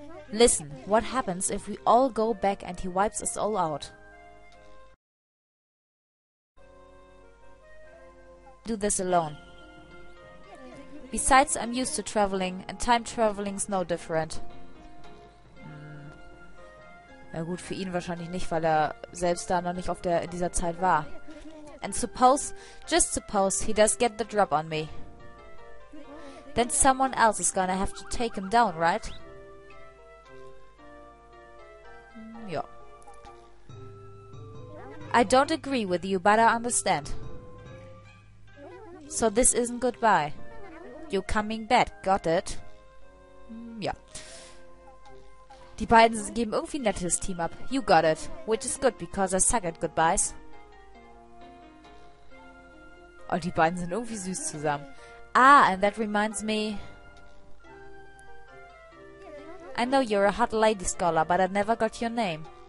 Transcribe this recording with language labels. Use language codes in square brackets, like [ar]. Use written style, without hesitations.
[en] Listen, what happens if we all go back and he wipes us all out? Do this alone. Besides, I'm used to traveling, and time traveling's no different. [de] Na gut, für ihn wahrscheinlich nicht, weil er selbst da noch nicht in dieser Zeit war. [en] And suppose, just suppose, he does get the drop on me. Then someone else is gonna have to take him down, right? [de] Ja. [en] I don't agree with you, but I understand. So this isn't goodbye. You're coming back, got it? Ja. [de] Die beiden geben irgendwie ein nettes Team ab. [en] You got it. Which is good, because I suck at goodbyes. [de] Oh, die beiden sind irgendwie süß zusammen. [en] Ah, and that reminds me... I know you're a hot lady scholar, but I never got your name.